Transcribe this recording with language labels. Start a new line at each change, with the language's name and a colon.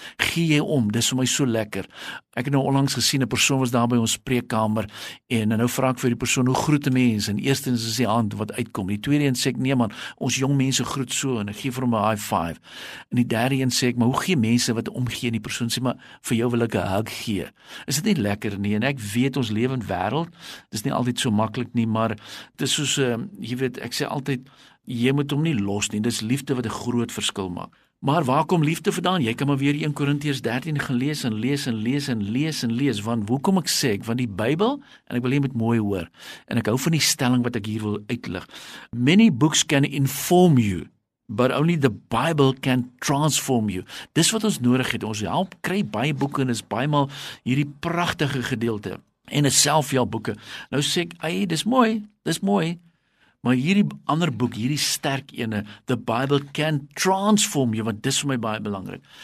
Afrikaans: Gee jy om, dis vir my so lekker. Ek het nou onlangs gesien, 'n persoon was daar by ons spreekkamer en nou vra ek vir die persoon, hoe groet die mens? En eerstens is die hand wat uitkom. Die tweede een sê ek, nee man, ons jong mense groet so en ek gee vir hom 'n high five. En die derde een sê ek, maar hoe gee mense wat omgee? En die persoon sê, maar vir jou wil ek 'n hug gee. Is dit nie lekker nie? En ek weet ons lewe in wêreld, dis nie altyd so maklik nie, maar dis soos, jy weet, ek sê altyd, jy moet hom nie los nie, dis liefde wat 'n groot verskil maak. Maar waar kom liefde vandaan? Jy kan maar weer 1 Korintiërs 13 gaan lees en lees en lees en lees en lees, want hoekom ek sê ek, want die Bybel, en ek wil hier met mooi hoor, en ek hou van die stelling wat ek hier wil uitlig.
English: Many books can inform you, but only the Bible can transform you.
Afrikaans: Dis wat ons nodig het, ons help kry baie boeke en is baie mal hierdie pragtige gedeelte, en is self jou boeke. Nou sê ek, ey, dis mooi, maar hierdie ander boek, hierdie sterk ene,
English: The Bible Can Transform You,
Afrikaans: want dis vir my baie belangrik.